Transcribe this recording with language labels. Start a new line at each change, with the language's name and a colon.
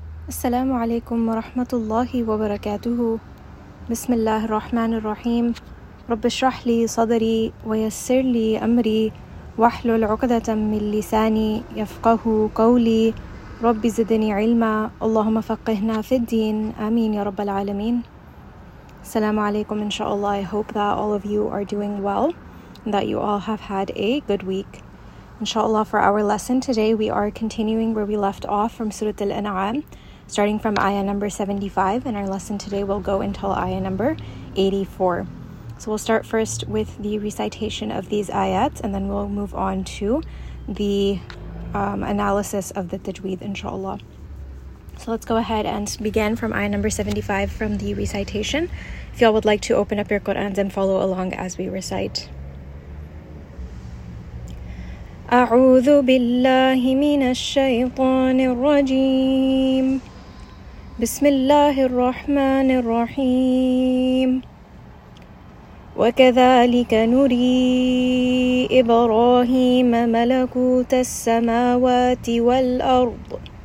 Arabic: السلام عليكم ورحمة الله وبركاته. بسم الله الرحمن الرحيم. رب اشرح لي صدري ويسر لي أمري واحلل عقدة من لساني يفقه قولي. رب زدني علما، اللهم فقهنا في الدين، آمين يا رب العالمين. السلام عليكم. إن شاء الله
English: I hope that all of you are doing well and that you all have had a good week.
Arabic: إن شاء الله
English: for our lesson today we are continuing where we left off from Surah Al-An'am, starting from ayah number 75, and our lesson today will go until ayah number 84. So we'll start first with the recitation of these ayats, and then we'll move on to the analysis of the tajweed, inshallah. So let's go ahead and begin from ayah number 75 from the recitation. If y'all would like to open up your Qur'ans and follow along as we recite.
Arabic: أعوذ بالله من الشيطان الرجيم بسم الله الرحمن الرحيم وكذلك نري إبراهيم ملكوت السماوات والأرض